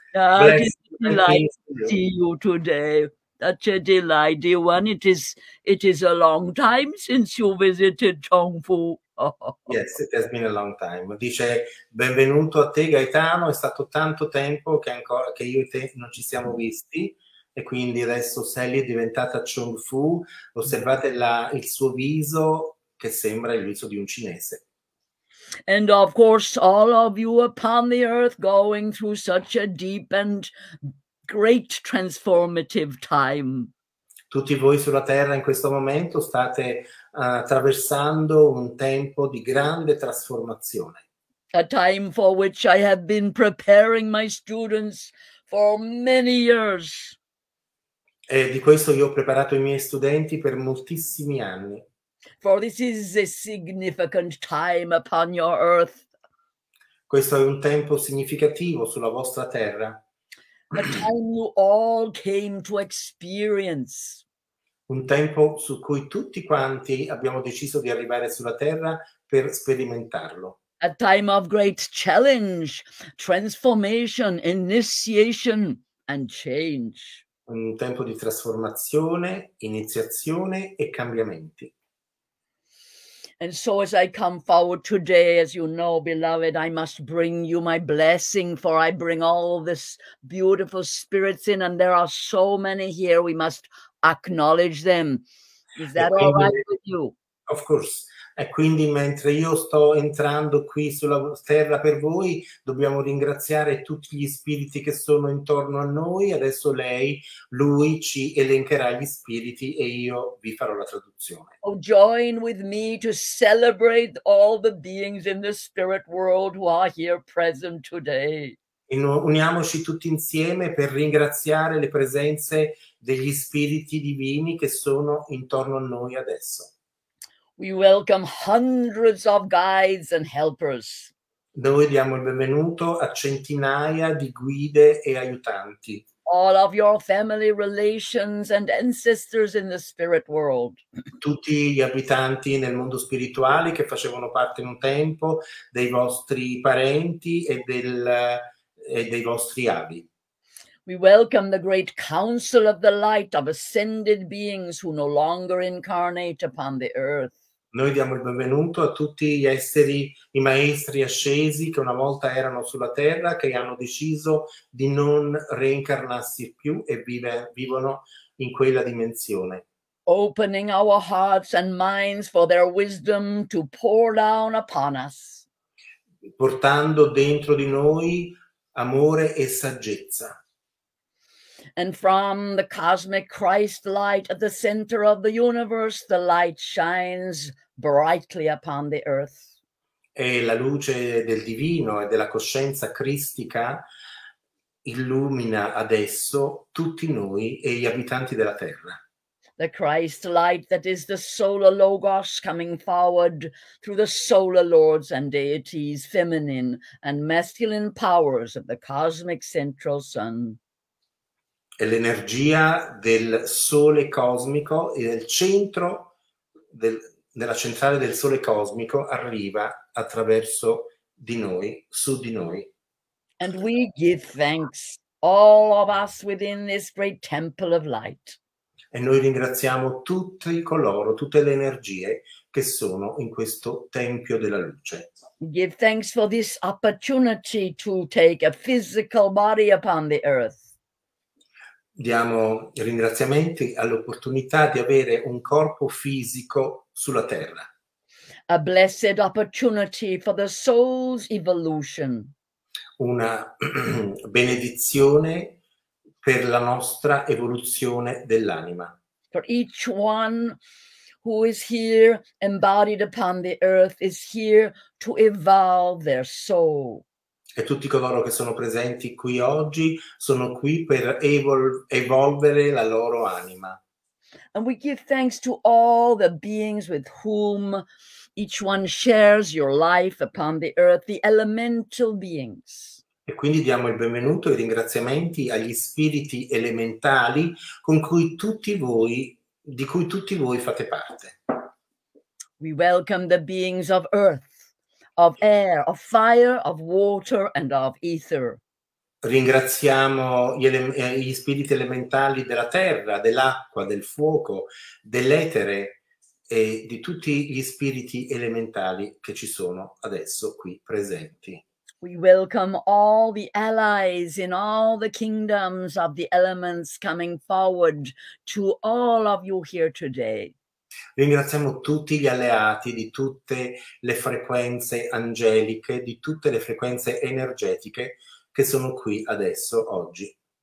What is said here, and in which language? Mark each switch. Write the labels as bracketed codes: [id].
[en] Ah, it's a delight to see you today. Such a delight, dear one. It is a long time since you visited Chung Fu. Yes, it has been a long time. [it] Dice benvenuto a te Gaetano, è stato tanto tempo che ancora che io e te non ci siamo visti e quindi adesso Sally è diventata Chung Fu. Osservate il suo viso che sembra il viso di un cinese. [en] And of course all of you upon the earth going through such a deep and great transformative time. [it] Tutti voi sulla terra in questo momento state attraversando un tempo di grande trasformazione. [en] A time for which I have been preparing my students for many years. [it] E di questo io ho preparato i miei studenti per moltissimi anni. [en] For this is a significant time upon your earth. [it] Questo è un tempo significativo sulla vostra terra. [en] A time you all came to experience. [it] Un tempo su cui tutti quanti abbiamo deciso di arrivare sulla Terra per sperimentarlo. [en] A time of great challenge, transformation, initiation and change. [it] Un tempo di trasformazione, iniziazione e cambiamenti. [en] And so as I come forward today, as you know, beloved, I must bring you my blessing, for I bring all these beautiful spirits in and there are so many here, we must acknowledge them. Is that all right with you? Of course. [it] quindi mentre io sto entrando qui sulla terra per voi, dobbiamo ringraziare tutti gli spiriti che sono intorno a noi. Adesso lui ci elencherà gli spiriti e io vi farò la traduzione. [en] Oh, join with me to celebrate all the beings in the spirit world who are here present today. [it] Uniamoci tutti insieme per ringraziare le presenze degli spiriti divini che sono intorno a noi adesso. [en] We welcome hundreds of guides and helpers. [it] Noi diamo il benvenuto a centinaia di guide e aiutanti. [en] All of your family relations and ancestors in the spirit world. [it] Tutti gli abitanti nel mondo spirituale che facevano parte in un tempo dei vostri parenti e dei vostri avi. [en] We welcome the great council of the light of ascended beings who no longer incarnate upon the earth. [it] Noi diamo il benvenuto a tutti gli esseri, i maestri ascesi che una volta erano sulla terra, che hanno deciso di non reincarnarsi più e vivono in quella dimensione. [en] Opening our hearts and minds for their wisdom to pour down upon us. [it] Portando dentro di noi amore e saggezza. [en] And from the cosmic Christ light at the center of the universe, the light shines brightly upon the earth. [it] E la luce del divino e della coscienza cristica illumina adesso tutti noi e gli abitanti della terra. [en] The Christ light that is the solar logos coming forward through the solar lords and deities, feminine and masculine powers of the cosmic central sun. [it] È l'energia del sole cosmico e del centro della centrale del sole cosmico arriva attraverso di noi, su di noi. [en] And we give thanks, all of us within this great temple of light. [it] E noi ringraziamo tutti coloro, tutte le energie che sono in questo tempio della luce. [en] We give thanks for this opportunity to take a physical body upon the earth. [it] Diamo ringraziamenti all'opportunità di avere un corpo fisico sulla terra. [en] A blessed opportunity for the soul's evolution. [it] Una benedizione per la nostra evoluzione dell'anima. [en] For each one who is here embodied upon the earth is here to evolve their soul. [it] E tutti coloro che sono presenti qui oggi sono qui per evolvere la loro anima. [en] And we give thanks to all the beings with whom each one shares your life upon the earth, the elemental beings. [it] E quindi diamo il benvenuto e i ringraziamenti agli spiriti elementali di cui tutti voi fate parte. [en] We welcome the beings of earth. Of air, of fire, of water, and of ether. [it] Ringraziamo gli spiriti elementali della terra, dell'acqua, del fuoco, dell'etere e di tutti gli spiriti elementali che ci sono adesso qui presenti. [en] We welcome all the allies in all the kingdoms of the elements coming forward to all of you here today. [it] Ringraziamo tutti gli alleati di tutte le frequenze angeliche, di tutte le frequenze energetiche che sono qui adesso, oggi.